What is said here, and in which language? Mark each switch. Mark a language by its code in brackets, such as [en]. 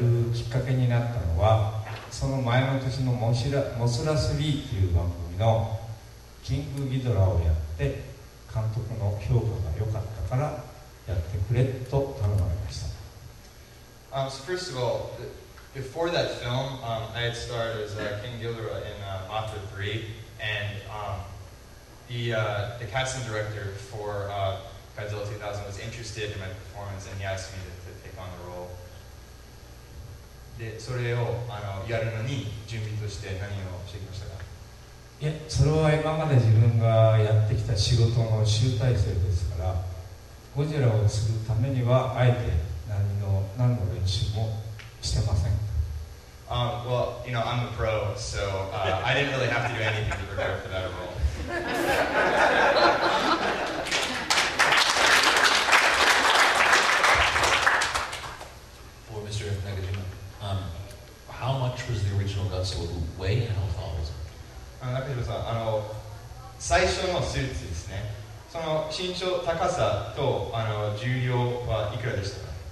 [ja] ゴジラ2000をやるきっかけになったのは その前の年のモスラ3っていう番組の「キングギドラ」をやって監督の評価が良かったからやってくれと頼まれました。 [en] So first of all, before that film, I had starred as King Ghidorah in Mothra 3, and the casting director for Godzilla 2000 was interested in my performance, and he asked me to take on the role. [ja] で、それをやるのに準備として何をしてきましたか？いや、それは今まで自分がやってきた仕事の集大成ですから、ゴジラをするためにはあえて何の練習も [en] Still nothing. Well, you know, I'm a pro, so I didn't really have to do anything to prepare for that role. For Mr. Nagajima, how much was the original Godzilla weigh and how tall was it? [ja] あの、最初のスーツですね。その身長高さと重量はいくらでしたか?